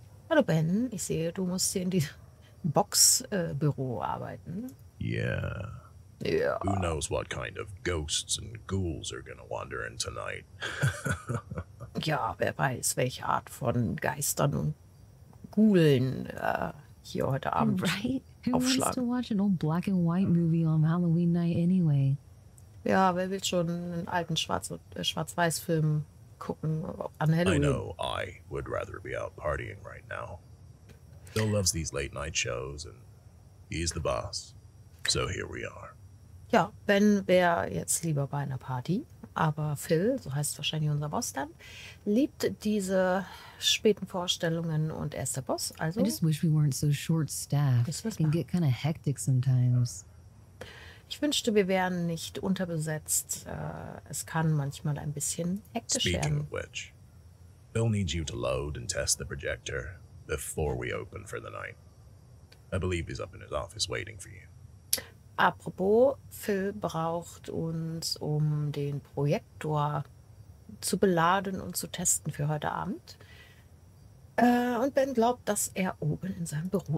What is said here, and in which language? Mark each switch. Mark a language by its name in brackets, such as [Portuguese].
[German] Hallo Ben, ich sehe, du musst hier in die Boxbüro arbeiten. [English] Yeah. Yeah. Who knows what kind of ghosts and ghouls are gonna wander in tonight? [German] Ja, wer weiß, welche Art von Geistern und Ghoulen hier heute Abend [English] right? [German] aufschlagen. [English] Who wants to watch an old black and white movie on Halloween night anyway? [German] Ja, wer will schon einen alten Schwarz-Weiß-Film gucken an Halloween. [English] I know, I would rather be out partying right now. Phil loves these late night shows and he's the boss. So here we are. [German] Ja, Ben wäre jetzt lieber bei einer Party. Aber Phil, so heißt wahrscheinlich unser Boss dann, liebt diese späten Vorstellungen und er ist der Boss. Also, [English] I just wish we weren't so short-staffed. It can get kind of hectic sometimes. [German] Ich wünschte, wir wären nicht unterbesetzt. Es kann manchmal ein bisschen hektisch werden. [English] Speaking of which, Bill needs you to load and test the projector before we open for the night. I believe he's up in his office waiting for you. [German] Apropos, Phil braucht uns, um den Projektor zu beladen und zu testen für heute Abend. Und Ben glaubt, dass er oben in seinem Büro